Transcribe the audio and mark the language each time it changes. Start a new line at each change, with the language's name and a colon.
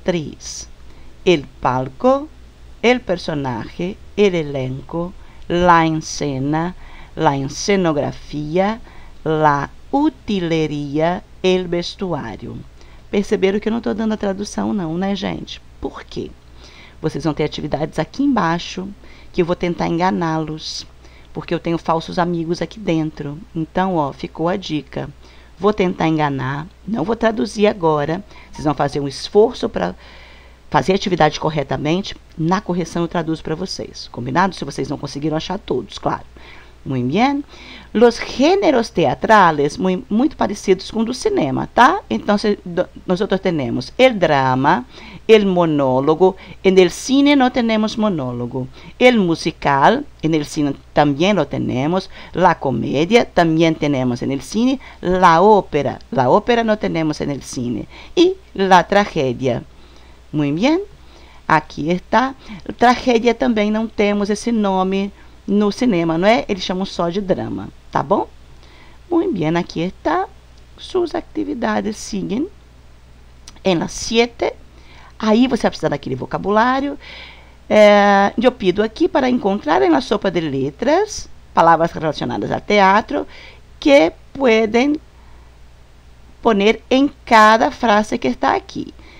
Spanish: actriz, el palco, el personaje, el elenco, la escena, la escenografía, la utilería, el vestuário.
Portuguese: Perceberam que eu não estou dando a tradução não, né, gente? Por quê? Vocês vão ter atividades aqui embaixo que eu vou tentar enganá-los, porque eu tenho falsos amigos aqui dentro. Então, ó, ficou a dica. Vou tentar enganar, não vou traduzir agora. Vocês vão fazer um esforço para fazer a atividade corretamente. Na correção eu traduzo para vocês. Combinado? Se vocês não conseguiram achar todos, claro.
Spanish: Muy bien. Los géneros teatrales, muy parecidos con el cinema, ¿tá? Entonces, nosotros tenemos el drama, el monólogo. En el cine no tenemos monólogo. El musical, en el cine también lo tenemos. La comedia, también tenemos en el cine. La ópera, no tenemos en el cine. Y la tragedia. Muy bien. Aquí está. Tragedia también no tenemos ese nombre.
Portuguese: No cinema, não é? Eles chamam só de drama, tá bom? Muito bem, aqui está. Suas atividades seguem. Em las 7. Aí você vai precisar daquele vocabulário. Eu pido aqui para encontrar em
Spanish: la sopa de letras
Portuguese: palavras relacionadas ao teatro que podem poner em cada frase que está aqui.